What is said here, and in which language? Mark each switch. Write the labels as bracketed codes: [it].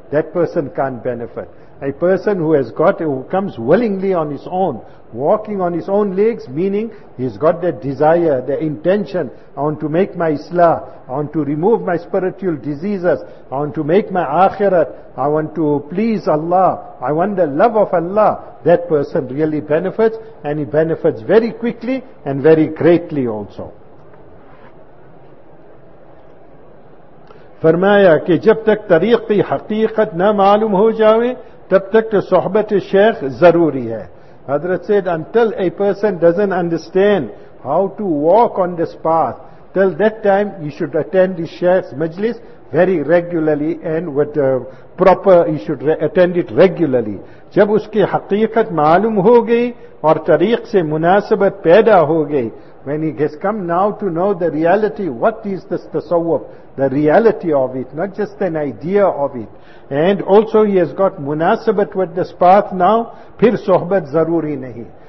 [en] That person can't benefit. A person who comes willingly on his own, walking on his own legs, meaning he's got that desire, the intention, I want to make my islah, I want to remove my spiritual diseases, I want to make my akhirat, I want to please Allah, I want the love of Allah, that person really benefits, and he benefits very quickly and very greatly also. [ur] فرمایا کہ جب تک طریق کی حقیقت نہ معلوم ہو جاوے تب تک تو صحبت شیخ ضروری ہے. [en] Hazrat said, until a person doesn't understand how to walk on this path. Till that time, you should attend the Shaykh's Majlis very regularly and with proper, you should attend it regularly. [ur] جب اس کی حقیقت معلوم ہو گئی [en] اور طریق سے مناسبت پیدا ہو گئی, when he has come now to know the reality, what is this tasawwuf, the reality of it, not just an idea of it, and also he has got munasabat with this path now, [ur] پھر صحبت ضروری نہیں.